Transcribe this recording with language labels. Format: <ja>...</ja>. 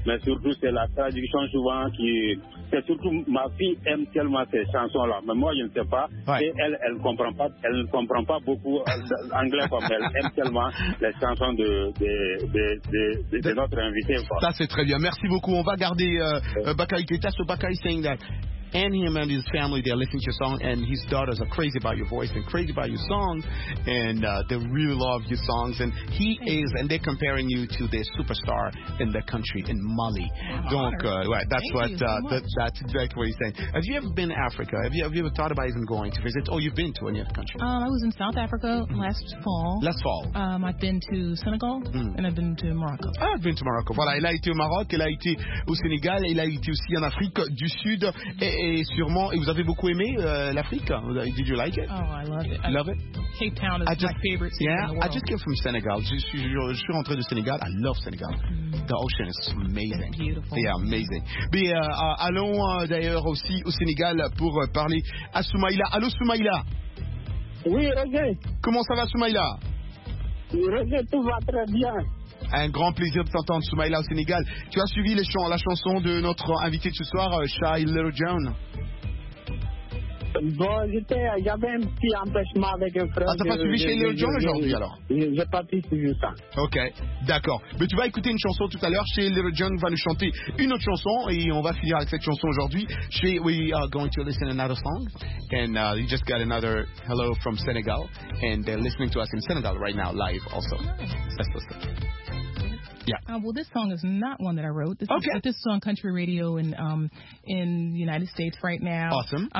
<fr>Mais surtout, c'est la traduction souvent qui. C'est surtout ma fille aime tellement ces chansons-là. Mais moi, je ne sais pas.</fr> <en>Right.</en> <fr>Et elle ne comprend pas beaucoup l'anglais comme elle aime tellement les chansons de notre invité. Ça, c'est très bien. Merci beaucoup. On va garder Bakary Keïta.</fr> <en>So, Bakary saying that. And him and his family, they're listening to your song, and his daughters are crazy about your voice and crazy about your songs, and they really love your songs. And he is, and they're comparing you to the superstar in the country, in Mali. That's what he's saying. Have you ever been to Africa? Have you ever thought about even going to visit? Oh, you've been to any other country? I was in South Africa last fall. I've been to Senegal, and I've been to Morocco. I've been to Morocco.</en> <fr>Voilà, il a été au Maroc, il a été au Sénégal, il a été aussi en Afrique du Sud, et sûrement, et vous avez beaucoup aimé l'Afrique.</fr> <en>Did you like it? Oh, I love it. Love it? Cape Town is my favorite city in the world. I just came from Senegal.</en> <fr>Je suis rentré de Sénégal.</fr> <en>I love Senegal. The ocean is amazing. It's beautiful. Yeah, amazing.</en> <fr>Mais allons d'ailleurs aussi au Sénégal pour parler à Soumaïla. Allô, Soumaïla. Oui, Roger. Comment ça va, Soumaïla? Roger, tout va très bien. Un grand plaisir de t'entendre, Soumaïla, au Sénégal. Tu as suivi la chanson de notre invité de ce soir, Shy Little John. Bon, j'avais un petit empêchement avec un frère. Ah, t'as pas suivi Shy Little John aujourd'hui, alors? J'ai pas pu suivre ça. Ok, d'accord. Mais tu vas écouter une chanson tout à l'heure. Shy Little John va nous chanter une autre chanson et on va finir avec cette chanson aujourd'hui.</fr> <en>We are going to listen to another song. And you just got another hello from Senegal. And they're listening to us in Senegal right now, live also. Nice. Let's listen. Yeah. Well, this song is not one that I wrote. This is on country radio in the United States right now. Awesome.</en>